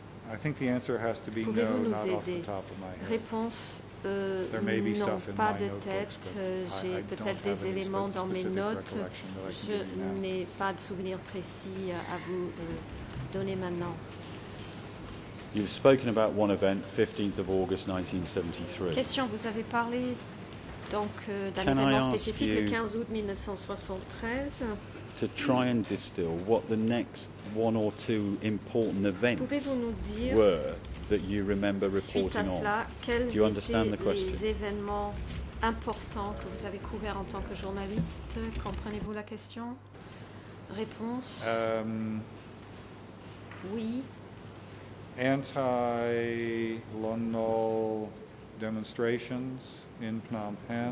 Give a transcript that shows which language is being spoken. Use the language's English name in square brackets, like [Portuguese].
[English] I think the answer has to be no, not off the top of my head. [French] Non, pas de tête. J'ai peut-être des éléments dans mes notes. Je n'ai pas de souvenirs précis à vous donner maintenant. [English] You've spoken about one event, 15th of August 1973. [French] Question, vous avez parlé donc d'un événement spécifique, le 15 août 1973. [English] To try and distill what the next one or two important events [French] pouvez-vous nous dire [English] were that you remember reporting [French] cela, [English] on. Do you understand the question? [French] Les événements importants que vous avez couverts en tant que journaliste, comprenez-vous la question? Réponse. Oui. [English] Anti-Lon Nol demonstrations in Phnom Penh.